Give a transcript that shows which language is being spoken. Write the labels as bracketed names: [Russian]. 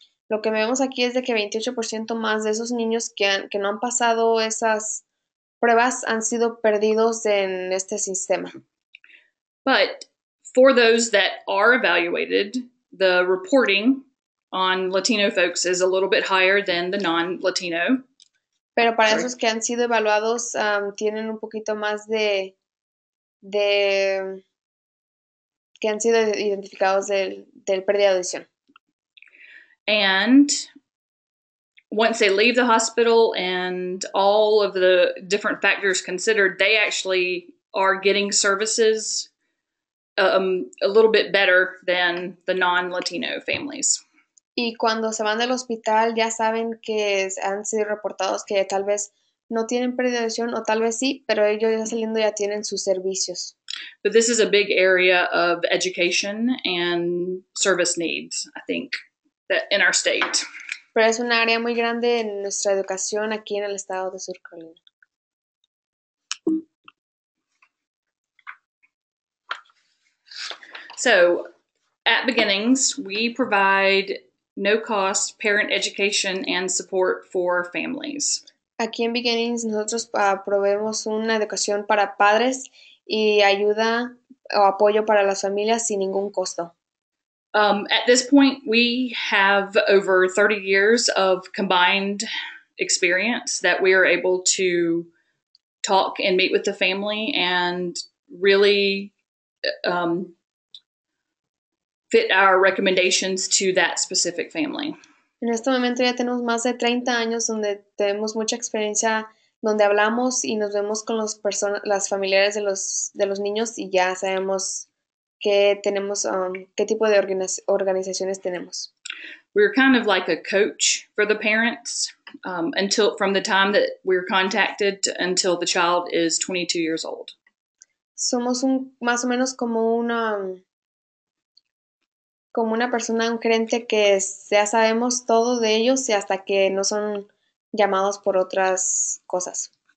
[Spanish] Lo que vemos aquí es de que 28% más de esos niños que no han pasado esas pruebas han sido perdidos en este sistema. [English] But for those that are evaluated, the reporting on Latino folks is a little bit higher than the non-Latino. [Spanish] Pero para esos que han sido evaluados, tienen un poquito más de que han sido identificados del pérdida de audición. [English] And once they leave the hospital and all of the different factors considered, they actually are getting services a little bit better than the non-Latino families. [Spanish] Y cuando se van del hospital, ya saben que han sido reportados que tal vez no tienen pérdida de audición, o tal vez sí, pero ellos ya saliendo ya tienen sus servicios. [English] But this is a big area of education and service needs, I think, that in our state. [Spanish] Pero es un área muy grande en nuestra educación aquí en el estado de Sur Carolina. [English] So, at Beginnings, we provide no-cost parent education and support for families. [Spanish] Aquí en Beginnings nosotros proveemos una educación para padres y ayuda o apoyo para las familias sin ningún costo. [English] At this point, we have over 30 years of combined experience that we are able to talk and meet with the family and really fit our recommendations to that specific family. [Spanish] En este momento ya tenemos más de 30 años donde tenemos mucha experiencia, donde hablamos y nos vemos con los las familiares de los niños y ya sabemos qué tenemos, qué tipo de organizaciones tenemos. [English] We're kind of like a coach for the parents until from the time that we're contacted until the child is 22 years old. [Spanish] Somos más o menos como una persona, un gerente que ya sabemos todo de ellos y hasta que no son llamados por otras cosas.